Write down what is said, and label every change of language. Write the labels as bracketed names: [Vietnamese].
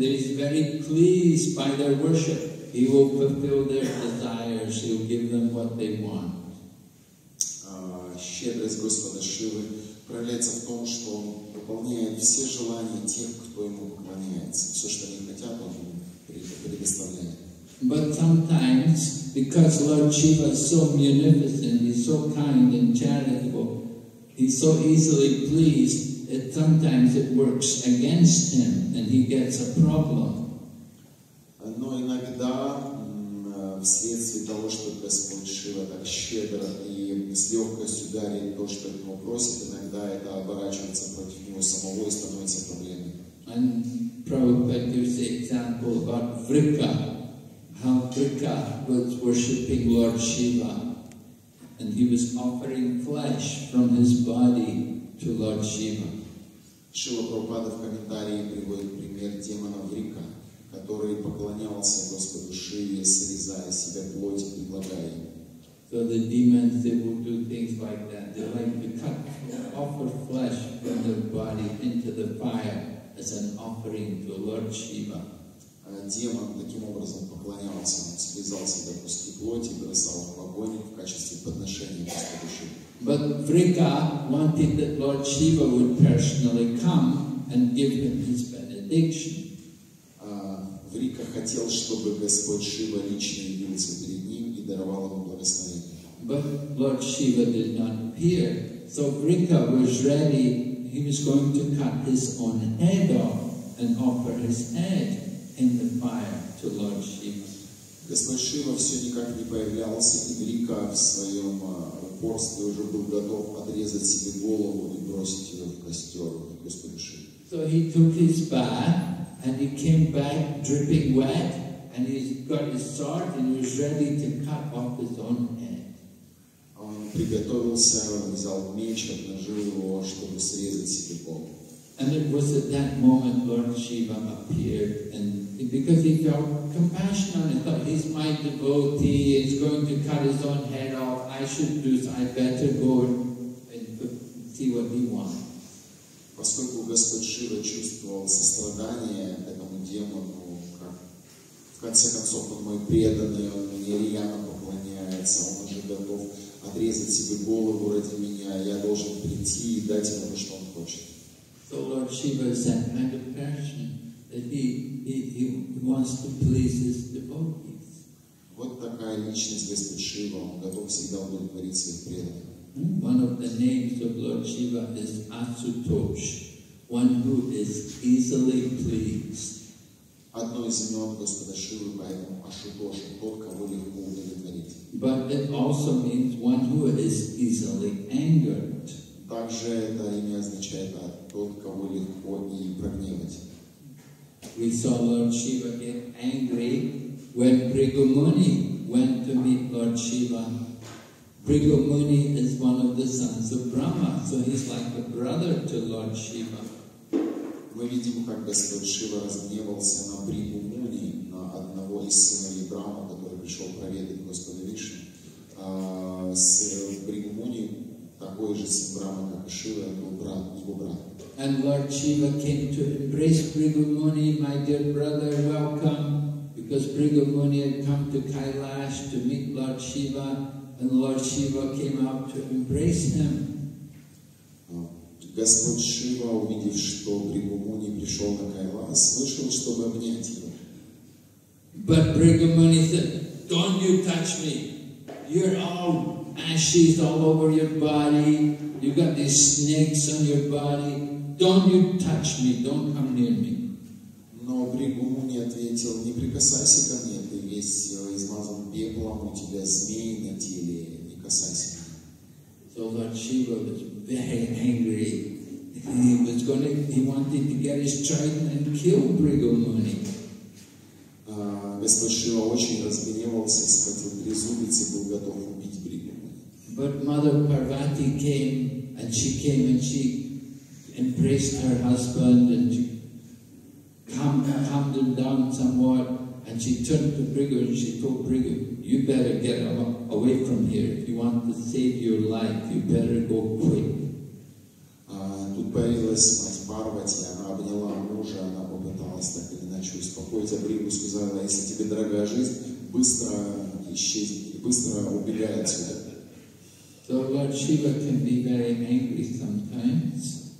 [English] He is very pleased by their worship. He will fulfill their desires. He'll give them what they want. [Russian] Щедрость Господа Шивы проявляется в том, что он выполняет все желания тех, кто ему поклоняется. Все, что они хотят, он предоставляет. [English] But sometimes, because Lord Shiva is so munificent, he's so kind and charitable, he's so easily pleased, sometimes it works against him and he gets a problem. [Russian] Но иногда вследствие того, что Господь Шива так щедро и с легкостью дарит то, что его просит, иногда это оборачивается против него самого и становится проблемой. [English] And Prabhupada gives the example about Vrika, how Vrika was worshipping Lord Shiva, and he was offering flesh from his body to Lord Shiva. [Russian] Шива Прабхупада в комментарии приводит пример демона Врика, который поклонялся Господу Шиве, срезая себя плоть и предлагая ему. [English] So the demons, they will do things like that. They like to cut, offer flesh from their body into the fire as an offering to Lord Shiva. [Russian] Демон таким образом поклонялся, срезал себя куски плоти, бросал в огонь в качестве подношения Господу Шиве. [English] But Vrika wanted that Lord Shiva would personally come and give him his benediction. [Russian] Врика хотел, чтобы Господь Шива лично явился перед ним и даровал ему благословение. [English] But Lord Shiva did not appear. So Врика was ready, he was going to cut his own head off and offer his head in the fire to Lord Shiva. [Russian] Господь Шива все никак не появлялся, и Врика в своем упорстве уже был готов отрезать себе голову и бросить ее в костер Господу Шиве. [English] So he took his bath, and he came back dripping wet, and he got his sword, and he was ready to cut off his own head. [Russian] Он приготовился, взял меч, обнажил его, чтобы срезать себе голову. [English] And it was at that moment Lord Shiva appeared, and because he felt compassion on him, he thought, he's my devotee, he's going to cut his own head off, I should do this, I better go and see what he wants. [Russian] Поскольку Господь Шива чувствовал сострадание этому демону, как в конце концов он мой преданный, он мне рьяно поклоняется, он уже готов отрезать себе голову ради меня, я должен прийти и дать ему то, что он хочет. [English] So Lord Shiva is that kind of person that he wants to please his devotees. [Russian] Вот такая личность Господь Шива, он готов всегда удовлетворить своих преданных. [English] One of the names of Lord Shiva is Asutosh, one who is easily pleased. [Russian] Одно из имен Господа Шивы, поэтому Асутош, тот, кого легко удовлетворить. [English] But it also means one who is easily angered. [Russian] Также это имя означает тот, кого легко и прогневать. [English] We saw Lord Shiva get angry when Bhrigumuni went to meet Lord Shiva. Bhrigumuni is one of the sons of Brahma, so he's like a brother to Lord Shiva. [Russian] Мы видим, как Господь Шива разгневался на Бригумуни, на одного из сыновей Брахма, который пришел проведать Господа Вишну. Бригумуни такой же сын Брахма, как и Шива, его брат, его брат. [English] And Lord Shiva came to embrace Bhrigumuni, my dear brother, welcome, because Bhrigumuni had come to Kailash to meet Lord Shiva. And Lord Shiva came out to embrace him. [Russian] Господь Шива, увидев, что Бригумуни пришел на Кайлас, слышал, чтобы обнять его. [English] But Bhrigumuni said, "Don't you touch me! You're all ashes all over your body. You got these snakes on your body. Don't you touch me! Don't come near me." [Russian] Но Бригумуни ответил: "Не прикасайся ко мне. Ты весь измазан пеплом, у тебя змеи на теле, не касайся меня." [English] So Lord Shiva was very angry. He wanted to get his trident and kill Bhrigumuni. [Russian] Господь Шива очень разгневался, схватил трезубец и был готов убить Бригумуни. [English] But Mother Parvati came, and she came and she embraced her husband and she calmed him down somewhat. And she turned to Bhrigu and she told Bhrigu, "You better get away from here. If you want to save your life, you better go quick." [Russian] Тут появилась мать Парвати, она обняла мужа, она попыталась так или иначе успокоить, а Бригу сказала, если тебе дорога жизнь, быстро исчезни, быстро убегай отсюда. [English] So Lord Shiva can be very angry sometimes.